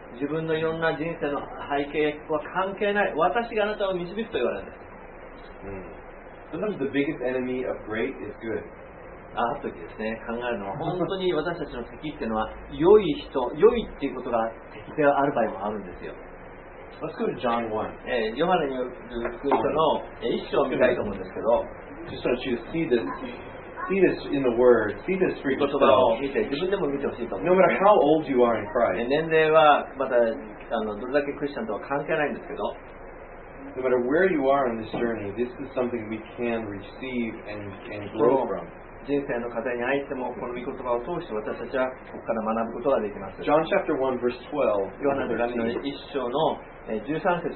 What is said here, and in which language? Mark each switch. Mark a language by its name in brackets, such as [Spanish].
[Japanese] 自分のいろんな人生の背景は関係ない。私があなたを導くと言われる。 [English] Sometimes the biggest enemy of great is good. [Japanese] ある時ですね、考えるのは本当に私たちの敵っていうのは良い人、良いっていうことが敵である場合もあるんですよ。 [English] Let's go to John 1. [Japanese] ヨハネによる福音書の一章を見たいと思うんですけど、 [English] Just want you to see this in the Word, see this for yourself. [Japanese] 言葉を見て、自分でも見てほしいと思う。 [English] No matter how old you are in Christ. [Japanese] 年齢はまたどれだけクリスチャンとは関係ないんですけど、 [English] No matter where you are on this journey, this is something we can receive and grow from. [Japanese] 人生の課題に入ってもこの御言葉を通して私たちはここから学ぶことができます。 [English] John chapter 1 verse 12 [Japanese] ヨハネの福音書1章の13節